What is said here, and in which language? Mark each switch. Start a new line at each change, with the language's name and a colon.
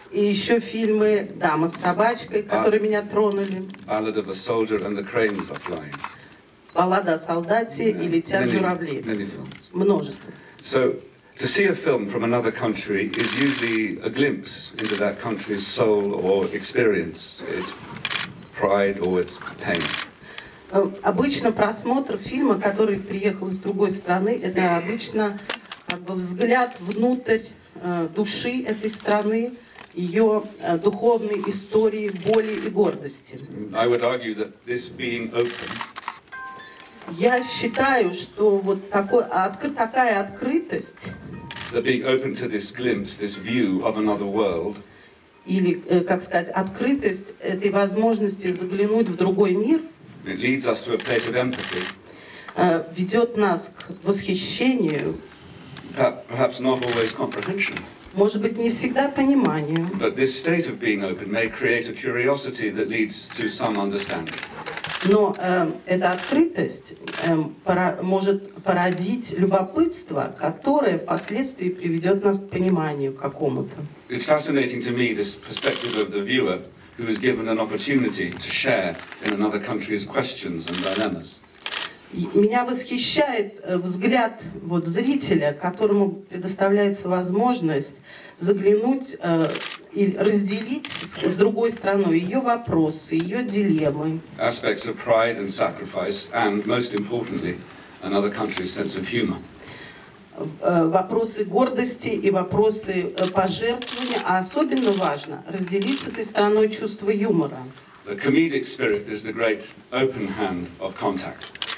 Russian: И еще фильмы «Дама с собачкой», которые меня тронули.
English: «Ballad of a Soldier and the Cranes are Flying».
Russian: «Баллада о солдате» и «Летят журавли». Множество.
English: So, to see a film from another country is usually a glimpse into that country's soul or experience, its pride or its pain.
Russian: Обычно просмотр фильма, который приехал из другой страны, это обычно как бы взгляд внутрь души этой страны, ее духовной истории, боли и гордости.
English: I would argue that this being open,
Russian: я считаю, что вот такая открытость,
English: being open to this glimpse, this view of another world,
Russian: или, как сказать, открытость этой возможности заглянуть в другой мир,
English: it leads us to a place of empathy,
Russian: ведет нас к восхищению,
English: perhaps not always comprehension,
Russian: может быть, не всегда пониманию,
English: but this state of being open may create a curiosity that leads to some understanding.
Russian: Но эта открытость может породить любопытство, которое впоследствии приведет нас к пониманию какому-то.
English: It's fascinating to me this perspective of the viewer who is given an opportunity to share in another country's questions and dilemmas.
Russian: Меня восхищает взгляд вот зрителя, которому предоставляется возможность заглянуть и разделить с другой страной ее вопросы, ее дилеммы.
English: Aspects of pride and sacrifice, and most importantly, another country's sense of humor.
Russian: Вопросы гордости и вопросы пожертвования, а особенно важно разделить с этой страной чувство юмора.
English: The comedic spirit is the great open hand of contact.